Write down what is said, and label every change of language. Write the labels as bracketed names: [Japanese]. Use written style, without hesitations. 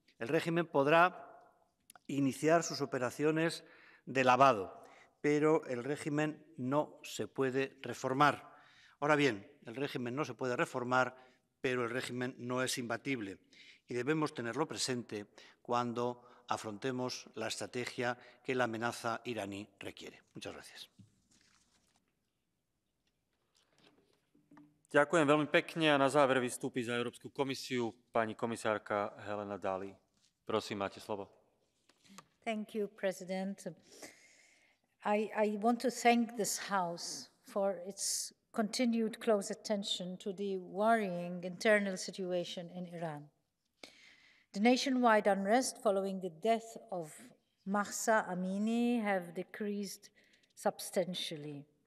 [Spanish] El régimen podrá iniciar sus operaciones de lavado, pero el régimen no se puede reformar. Ahora bien, el régimen no se puede reformar, pero el régimen no es imbatible. Y debemos tenerlo presente cuando afrontemos la estrategia que la amenaza iraní requiere. Muchas gracias. [Slovak] Ďakujem veľmi pekne a na záver vystúpi za Európsku komisiu pani komisárka Helena DALLI. Prosím, máte slovo. [English] Thank you, President. I want to thank this House for its continued close attention to the worrying internal situation in Iran. The nationwide unrest following the death of Mahsa Amini have decreased substantially.